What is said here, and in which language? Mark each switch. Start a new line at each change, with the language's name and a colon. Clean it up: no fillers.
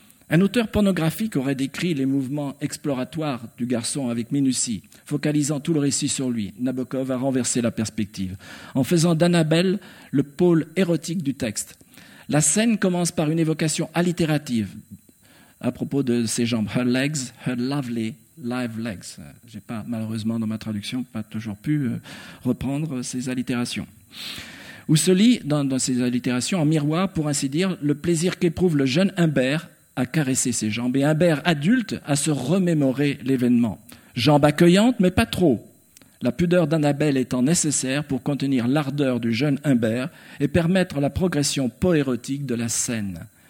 French: Un auteur pornographique aurait décrit les mouvements exploratoires du garçon avec minutie, focalisant tout le récit sur lui. Nabokov a renversé la perspective, en faisant d'Annabel le pôle érotique du texte. La scène commence par une évocation allitérative à propos de ses jambes.
English: Her legs, her lovely live legs.
French: Je n'ai pas, malheureusement, dans ma traduction, pas toujours pu reprendre ces allitérations. Où se lit, dans ces allitérations, en miroir, pour ainsi dire, le plaisir qu'éprouve le jeune Humbert à caresser ses jambes et Humbert adulte à se remémorer l'événement. Jambes accueillantes, mais pas trop. La pudeur d'Annabelle étant nécessaire pour contenir l'ardeur du jeune Humbert et permettre la progression poérotique de la scène.